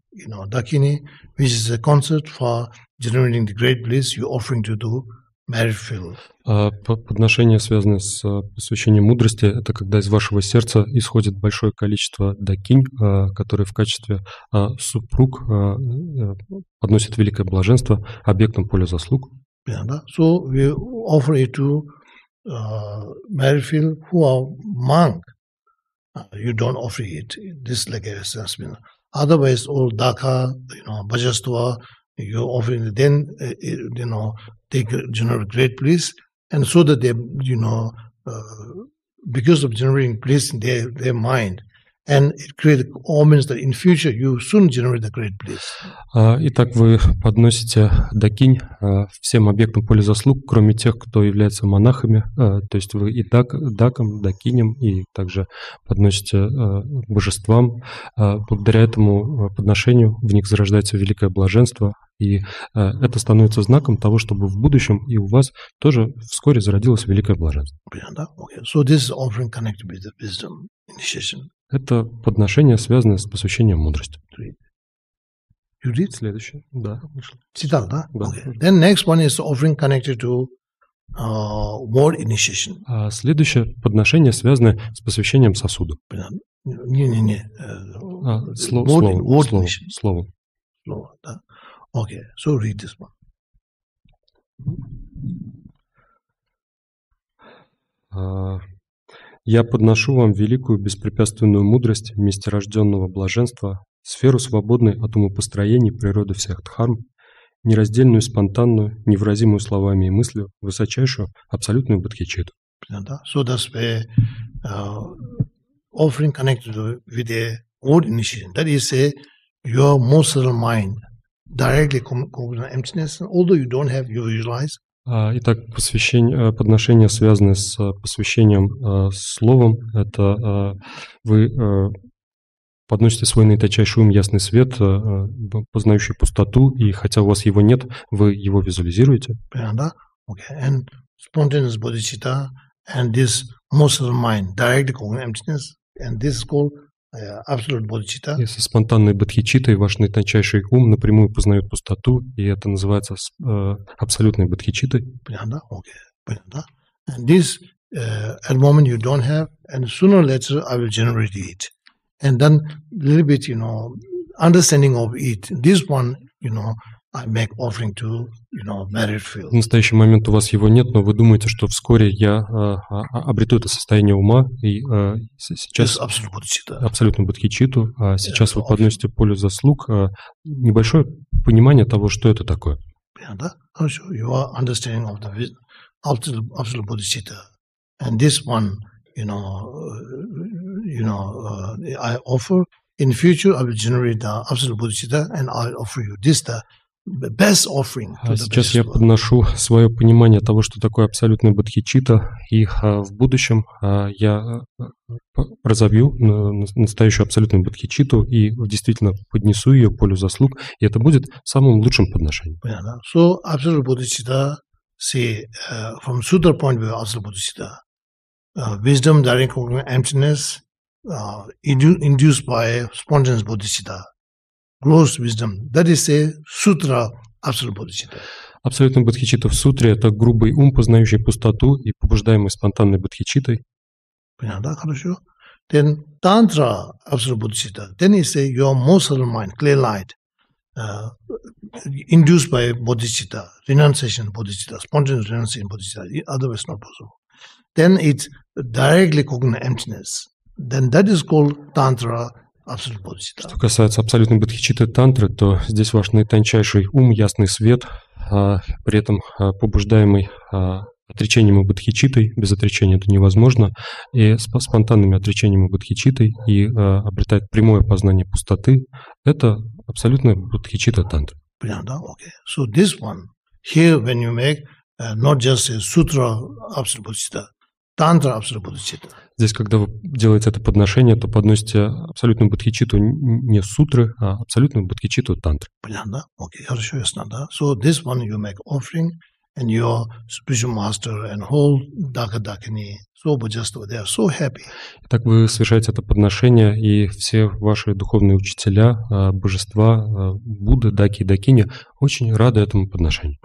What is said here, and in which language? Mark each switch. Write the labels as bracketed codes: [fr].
[en] You know, Dakini, which is a concert for generating the great bliss, you're offering to do merit field. [ru] Подношение, связанное с посвящением мудрости, это когда из вашего сердца исходит большое количество дакинь, которые в качестве супруг подносят великое блаженство объектам поля заслуг. [en] Yeah, [ru] да? [en] So we offer it to merit field who are monk. You don't offer it. This like a sense. Otherwise, all Dhaka, you know, Bajastwa, you're offering, then, you know, they generate great bliss. And so that they, you know, because of generating bliss in their mind, and it creates omens that in future you soon generate the great bliss. [ru] Итак, вы подносите дакинь всем объектам поля заслуг, кроме тех, кто является монахами. То есть вы и дакам, дакиням, и также подносите божествам. Благодаря этому подношению в них зарождается великое блаженство, и это становится знаком того, чтобы в будущем и у вас тоже вскоре зародилось великое блаженство. [en] Okay. So this is offering connected with the wisdom initiation. [ru] Это подношение, связанное с посвящением мудрости. [en] You read? [ru] Следующее. Да. Читал, да? Да. [en] Okay. Then next one is offering connected to word initiation. [ru] Следующее подношение, связанное с посвящением сосуду. Не-не-не. Слово. Слово, да. [en] Okay, so read this one. [ru] Я подношу вам великую беспрепятственную мудрость, местерожденного блаженства, сферу свободной от умопостроений природы всех дхарм, нераздельную, спонтанную, невыразимую словами и мыслью, высочайшую, абсолютную бодхичитту. [en] So that's where offering connected with the word initiation. That is, your most subtle mind directly cognizant emptiness, although you don't have, you visualize. [ru] Итак, подношение, связанное с посвящением словом, это вы подносите свой наитончайший ум, ясный свет, познающий пустоту, и хотя у вас его нет, вы его визуализируете. Понятно, да? [en] Okay. And spontaneous bodhicitta, and this muscle mind, directly cognizant emptiness, and this is called absolute bodhicitta. Если спонтанный бодхичитта и ваш тончайший ум напрямую познают пустоту, и это называется абсолютной бодхичиттой. Понятно? Окей. Понятно? And this, at the moment you don't have, and sooner or later I will generate it. And then a little bit, you know, understanding of it. This one, you know, I make offering to, you know, merit field. [ru] В настоящий момент у вас его нет, но вы думаете, что вскоре я обрету это состояние ума и сейчас абсолютно бодхичитту, а сейчас вы подносите поле заслуг, небольшое понимание того, что это такое. Да, хорошо. [en] Your understanding of the absolute bodhicitta, and this one, I offer. In future, I will generate the absolute bodhicitta, and I'll offer you this the best offering. [ru] Сейчас я подношу свое понимание того, что такое абсолютная бодхичитта, и в будущем я разобью настоящую абсолютную бодхичитту и действительно поднесу ее полю заслуг, и это будет самым лучшим подношением. Понятно. [en] So absolute bodhicitta, from sutra point of view, absolute bodhicitta, wisdom, direct cognition, emptiness, induced by spontaneous bodhicitta. Gross wisdom. That is a sutra absolute bodhicitta. [ru] Абсолютный бодхичитта в сутре – это грубый ум, познающий пустоту и побуждаемый спонтанной бодхичиттой. Понятно, хорошо. [en] Then tantra absolute bodhicitta. Then is a your most subtle mind, clear light, induced by bodhicitta, renunciation bodhicitta, spontaneous renunciation bodhicitta. Otherwise, not possible. Then it directly cognizant emptiness. Then that is called tantra. [ru] Что касается абсолютной бодхичитты тантры, то здесь ваш наитончайший ум, ясный свет, при этом побуждаемый отречением и бодхичиттой, без отречения это невозможно, и спонтанными отречением и бодхичиттой, и обретает прямое познание пустоты, это абсолютная бодхичитта тантры. Понятно, да? Окей. [en] So this one, here when you make not just a sutra absolute bodhicitta, tantra absolute bodhicitta. [ru] Здесь, когда вы делаете это подношение, то подносите абсолютную бодхичитту не сутры, а абсолютную бодхичитту тантры. Понятно, да? Окей, хорошо, ясно, да? [en] So this one you make offering, and your spiritual master and whole Dakadakini, so bodhisattva, they are so happy. [ru] Итак, вы совершаете это подношение, и все ваши духовные учителя, божества, Будды, Даки и Дакини, очень рады этому подношению.